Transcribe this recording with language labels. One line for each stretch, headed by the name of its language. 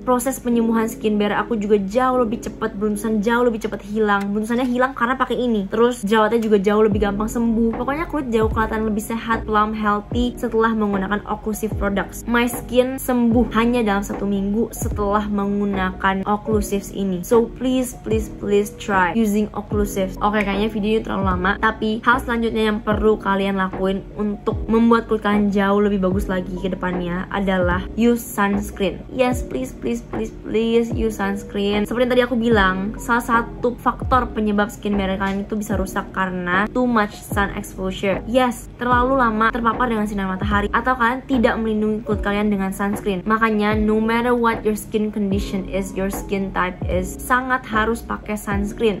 Indonesian: Proses penyembuhan skin barrier aku juga jauh lebih cepat, beruntusan jauh lebih cepat hilang. Beruntusannya hilang karena pakai ini. Terus jerawatnya juga jauh lebih gampang sembuh. Pokoknya kulit jauh kelihatan lebih sehat, plump, healthy setelah menggunakan occlusive products.
English: My skin
Indonesian: sembuh hanya dalam 1 minggu setelah menggunakan occlusives ini.
English: So please, please, please try using occlusives.
Indonesian: Oke, kayaknya videonya terlalu lama, tapi hal selanjutnya yang perlu kalian lakuin untuk membuat kulit kalian jauh lebih bagus lagi ke depannya adalah
English: use sunscreen. Yes, please, please, please, please use sunscreen.
Indonesian: Seperti yang tadi aku bilang, salah satu faktor penyebab skin barrier kalian itu bisa rusak karena
English: too much sun exposure. Yes,
Indonesian: terlalu lama terpapar dengan sinar matahari, atau kalian tidak melindungi kulit kalian dengan sunscreen. Makanya,
English: no matter what your skin condition is, your skin type is,
Indonesian: sangat harus pakai sunscreen.